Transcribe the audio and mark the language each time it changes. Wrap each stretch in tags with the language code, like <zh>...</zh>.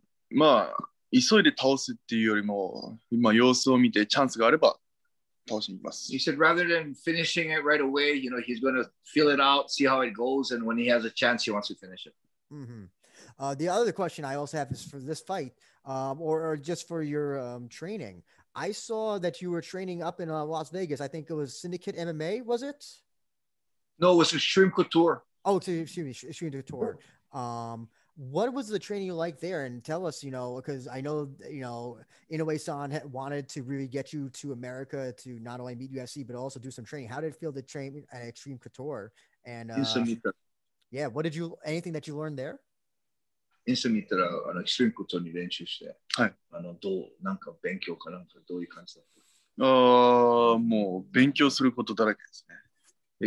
<ja>まあ急いで倒すっていうよりも今様子を見てチャンスがあれば倒しに行きます。</ja> <en>He said rather than finishing it right away, you know, he's going to feel it out, see how it goes, and when he has a chance, he wants to finish it. Mm-hmm. The other question I also have is for this fight, or just for your training. I saw that you were training up in Las Vegas. I think it was Syndicate MMA, was it? No, it was Extreme Couture. Oh, excuse me, Extreme Couture. What was the training like there? And tell us, you know, because I know, you know, Inoue-san wanted to really get you to America to not only meet UFC, but also do some training. How did it feel to train at Extreme Couture? And yeah, what did you, anything that you learned there?</en> <ja>インスタに行ったらあのエクストリームコートに練習して、はい、あのどうなんか勉強かなんかどういう感じだった？もう勉強することだらけですね。</ja>